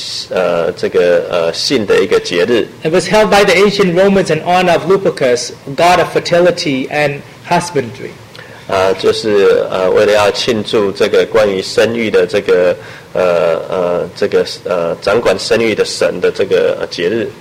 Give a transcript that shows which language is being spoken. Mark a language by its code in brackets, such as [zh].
[zh] 那在2月15号的时候，他们这个就是代表着这个性的一个节日。 [en] It was held by the ancient Romans in honor of Lupercus, god of fertility and husbandry. [zh] 就是为了要庆祝这个关于生育的这个掌管生育的神的这个节日。